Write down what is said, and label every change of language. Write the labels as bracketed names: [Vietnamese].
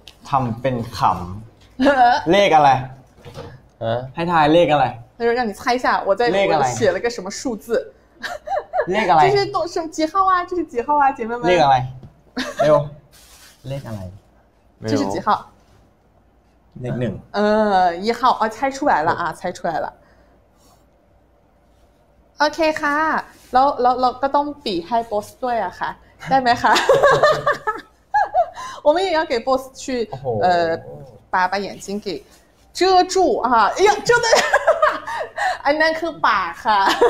[Thai] ทำเป็นขำเลขอะไรให้ทายเลขอะไร [Chinese] 他说让你猜一下我在我写了个什么数字 [Thai] เลขอะไร นี่คือตรงชื่อกี่ [Chinese] 号啊这是几号啊姐妹们 เลขอะไรไม่รู้เลขอะไร [Thai] ไม่รู้ [Chinese] 这是几号 [Thai] เลข1 [Chinese] 1号อ๋อ猜出来了啊猜出来了 [Thai] โอเคค่ะแล้วก็ต้องปีให้บอสด้วยอ่ะค่ะได้มั้ยคะ [Chinese] 我们也要给 boss 去把眼睛给遮住啊哎呀真的 [Thai] อันนั้นคือปากค่ะ